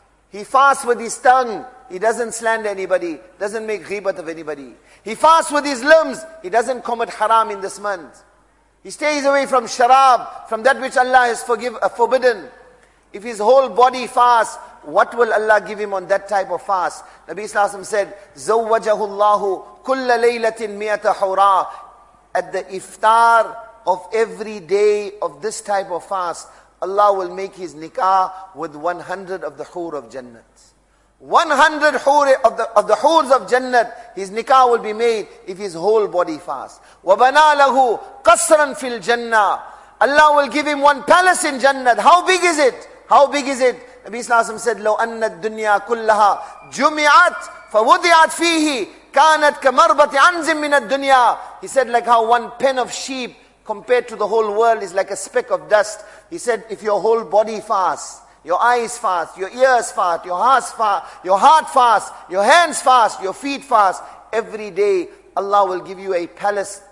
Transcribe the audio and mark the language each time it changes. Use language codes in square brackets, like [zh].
[en] He fasts with his tongue. He doesn't slander anybody, doesn't make ghibat of anybody. He fasts with his limbs. He doesn't commit haram in this month. He stays away from sharab, from that which Allah has forbidden. If his whole body fasts, what will Allah give him on that type of fast? Nabi Sallallahu Alaihi Wasallam said, [ar] زَوَّجَهُ اللَّهُ كُلَّ لَيْلَةٍ مِيَةَ حُورًا. [en] At the iftar of every day of this type of fast, Allah will make his nikah with 100 of the hoor of Jannah. 100 hoor of the hoors of Jannah, his nikah will be made if his whole body fasts. [ar] وَبَنَا لَهُ قَصْرًا فِي الْجَنَّةِ. [en] Allah will give him one palace in Jannah. How big is it? Nabi Sallallahu Alaihi Wasallam said, [ar] لَوْ أَنَّ الدُّنْيَا كُلَّهَا جُمِعَتْ فَوُضِعَتْ فِيهِ كَانَتْ كَمَرْبَةِ عَنْزٍ مِنَ الدُّنْيَا. [en] He said, like how one pen of sheep compared to the whole world is like a speck of dust. He said, if your whole body fasts, your eyes fast, your ears fast, your heart fast, your hands fast, your feet fast, every day Allah will give you a palace.